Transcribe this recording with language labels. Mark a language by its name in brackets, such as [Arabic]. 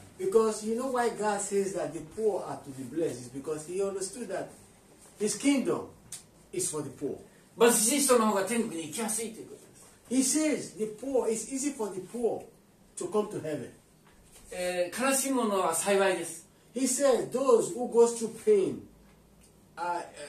[English] Because you know why God says that the poor are to be blessed is because He understood that His kingdom is for the poor. [Japanese] 貧しい人の方が天国に行きやすいということです。 [English] He says the poor is easy for the poor to come to heaven. [Japanese] 悲しい者は幸いです。 [English] He says those who go through pain are